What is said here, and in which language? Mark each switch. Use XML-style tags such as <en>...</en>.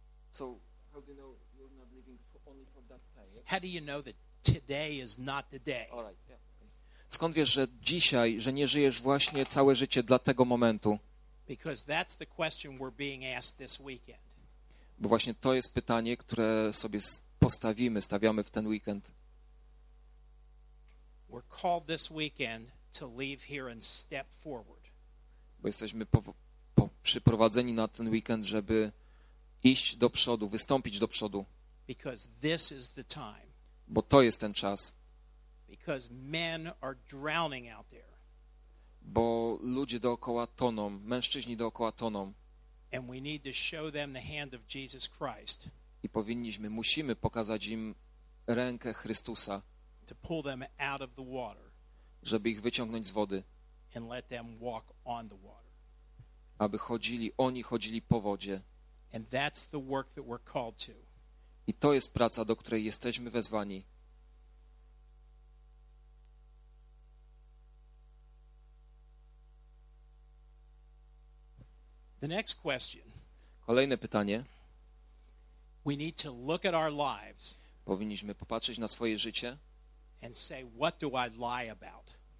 <en>So, how do you know you're not living for only for that day? Yes? How do you know that today is not the day? All right. Yeah. Okay.</en> <pl>Skąd wiesz, że dzisiaj, że nie żyjesz właśnie całe życie dla tego momentu?</pl> <en>Because that's the question we're being asked this weekend.</en> <pl>Bo właśnie to jest pytanie, które sobie stawiamy w ten weekend.</pl> <en>We're called this weekend to leave here and step forward.</en> <pl>Bo jesteśmy przyprowadzeni na ten weekend, żeby iść do przodu, wystąpić do przodu.</pl> <en>Because this is the time.</en> <pl>Bo to jest ten czas.</pl> <en>Because men are drowning out there.</en> <pl>Bo ludzie dookoła toną, mężczyźni dookoła toną.</pl> <en>And we need to show them the hand of Jesus Christ.</en> <pl>I musimy pokazać im rękę Chrystusa.</pl> <en>To pull them out of the water.</en> <pl>Żeby ich wyciągnąć z wody.</pl> <en>And let them walk on the water.</en> <pl>Aby oni chodzili po wodzie.</pl> <en>And that's the work that we're called to.</en> <pl>I to jest praca, do której jesteśmy wezwani.</pl> <en>The next question.</en> <pl>Kolejne pytanie.</pl> <en>We need to look at our lives.</en> <pl>Powinniśmy popatrzeć na swoje życie.</pl> <en>And say, what do I lie about?</en>